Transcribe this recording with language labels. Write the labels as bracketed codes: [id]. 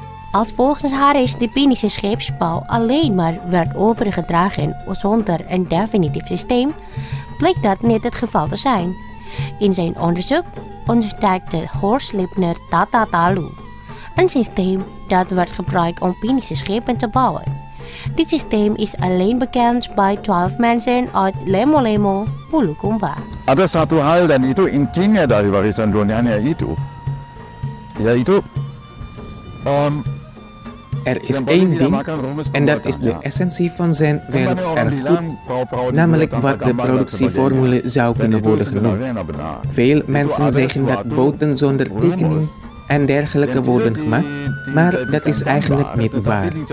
[nl] Als volgens Harris de Penische scheepsbouw alleen maar werd overgedragen zonder een definitief systeem, bleek dat niet het geval te zijn. In zijn onderzoek ontdekte Horst Liebner Tata Talu, een systeem dat werd gebruikt om Penische schepen te bouwen. Dit systeem is alleen bekend bij 12 mensen uit Lemo Lemo, Bulukumba. [id] Ada satu hal dan itu intinya dari warisan dunianya itu, yaitu [nl] Er is één ding, en dat is de essentie van zijn werk erfgoed, namelijk wat de productieformule zou kunnen worden genoemd. Veel mensen zeggen dat boten zonder tekening en dergelijke worden gemaakt, maar dat is eigenlijk niet waar.